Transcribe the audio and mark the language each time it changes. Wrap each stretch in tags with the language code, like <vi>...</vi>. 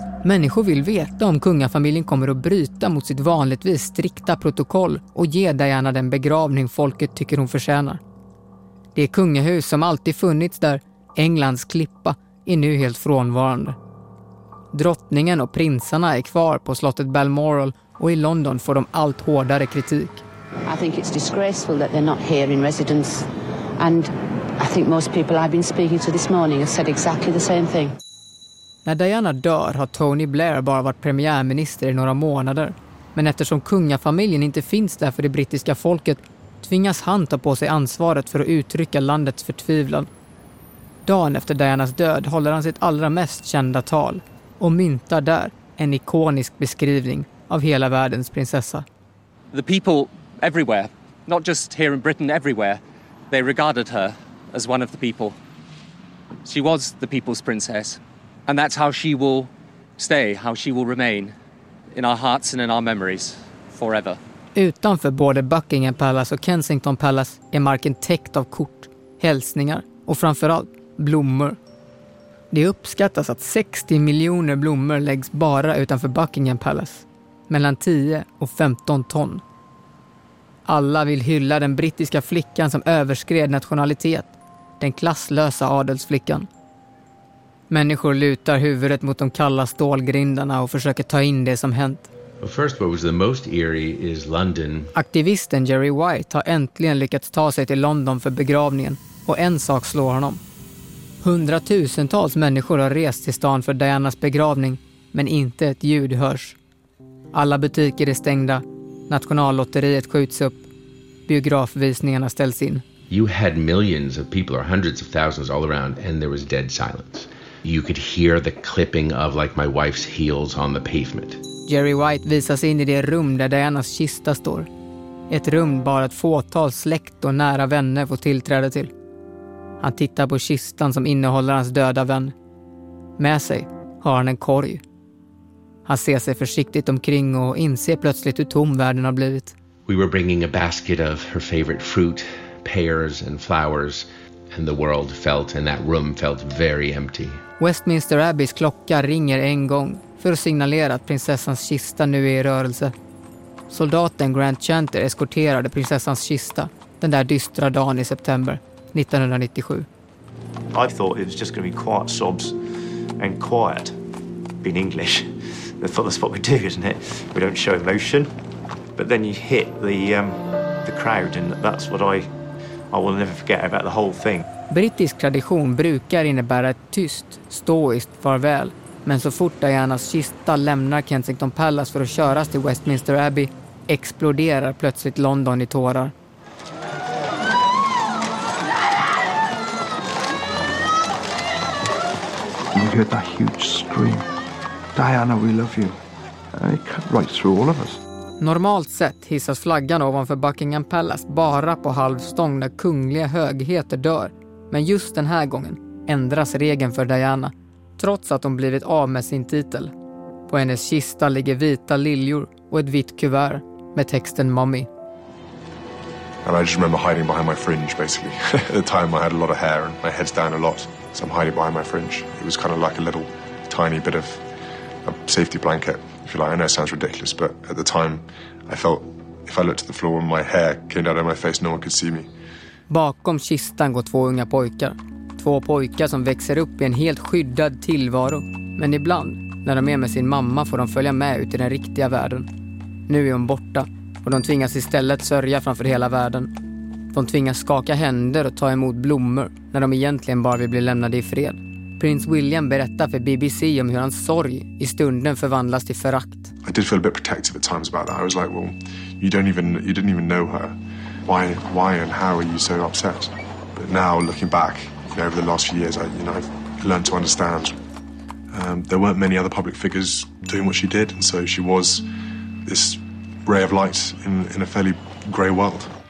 <sv>Människor vill veta om kungafamiljen kommer att bryta mot sitt vanligtvis strikta protokoll och ge Diana den begravning folket tycker hon förtjänar. Det kungahus som alltid funnits där, Englands klippa, är nu helt frånvarande. Drottningen och prinsarna är kvar på slottet Balmoral och i London får de allt hårdare kritik.</sv> <en>I think it's disgraceful that they're not here in residence, and I think most people I've been speaking to this morning have said exactly the same thing.</en> <sv>När Diana dör har Tony Blair bara varit premiärminister i några månader. Men eftersom kungafamiljen inte finns där för det brittiska folket tvingas han ta på sig ansvaret för att uttrycka landets förtvivlan. Dagen efter Dianas död håller han sitt allra mest kända tal och myntar där en ikonisk beskrivning av hela världens prinsessa.</sv> <en>The people everywhere, not just here in Britain, everywhere, they regarded her as one of the people. She was the people's princess, and that's how she will stay, how she will remain in our hearts and in our memories forever.</en> <sv>Utanför både Buckingham Palace och Kensington Palace är marken täckt av kort, hälsningar och framförallt blommor. Det uppskattas att 60 miljoner blommor läggs bara utanför Buckingham Palace, mellan 10 och 15 ton. Alla vill hylla den brittiska flickan som överskred nationalitet, den klasslösa adelsflickan. Människor lutar huvudet mot de kalla stålgrindarna och försöker ta in det som hänt.</sv> <en>Well, first, what was the most eerie is London.</en> <sv>Aktivisten Jerry White har äntligen lyckats ta sig till London för begravningen och en sak slår honom. Hundratusentals människor har rest till stan för Dianas begravning, men inte ett ljud hörs. Alla butiker är stängda, nationallotteriet skjuts upp, biografvisningarna ställs in.</sv> <en>You had millions of people or hundreds of thousands all around and there was dead silence. You could hear the clipping of like my wife's heels on the pavement.</en> <sv>Jerry White visas in i det rum där Dianas kista står. Ett rum bara ett fåtal släkt och nära vänner får tillträde till. Han tittar på kistan som innehåller hans döda vän. Med sig har han en korg. Han ser sig försiktigt omkring och inser plötsligt hur tom världen har blivit.</sv> <en>We were bringing a basket of her favorite fruit, pears and flowers, and the world felt and that room felt very empty.</en> <sv>Westminster Abbeys klocka ringer en gång för att signalera att prinsessans kista nu är i rörelse. Soldaten Grant Chanter eskorterade prinsessans kista den där dystra dagen i september 1997.</sv> <en>I thought it was just going to be quiet sobs and quiet in English. I thought that's what we do, isn't it? We don't show emotion. But then you hit the crowd and that's what I will never forget about the whole thing.</en> <sv>Brittisk tradition brukar innebära ett tyst, stoiskt farväl. Men så fort Dianas kista lämnar Kensington Palace för att köras till Westminster Abbey exploderar plötsligt London i tårar.</sv> <en>You heard that huge scream. Diana, we love you. It cut right through all of us.</en> <sv>Normalt sett hissas flaggan ovanför Buckingham Palace bara på halvstång när kungliga högheter dör. Men just den här gången ändras regeln för Diana, trots att hon blivit av med sin titel. På hennes kista ligger vita liljor och ett vitt kuvert med texten Mommy.</sv> <en>And I just remember hiding behind my fringe basically. At the time I had a lot of hair and my head's down a lot. So I'm hiding behind my fringe. It was kind of like a little tiny bit of a safety blanket. If you like, I know it sounds ridiculous, but at the time I felt if I looked to the floor and my hair came down on my face, no one could see me.</en> <sv>Bakom kistan går två unga pojkar. Två pojkar som växer upp i en helt skyddad tillvaro. Men ibland, när de är med sin mamma, får de följa med ut i den riktiga världen. Nu är hon borta och de tvingas istället sörja framför hela världen. De tvingas skaka händer och ta emot blommor när de egentligen bara vill bli lämnade i fred. Prins William berättar för BBC om hur hans sorg i stunden förvandlas till förakt.</sv> <en>I did feel a bit protective at times about that. I was like, well, you didn't even know her. Why and how are you so upset? But now looking back, you know, over the last few years, I've learned to understand. There weren't many other public figures doing what she did, and so she was this ray of light in a fairly grey world.</en>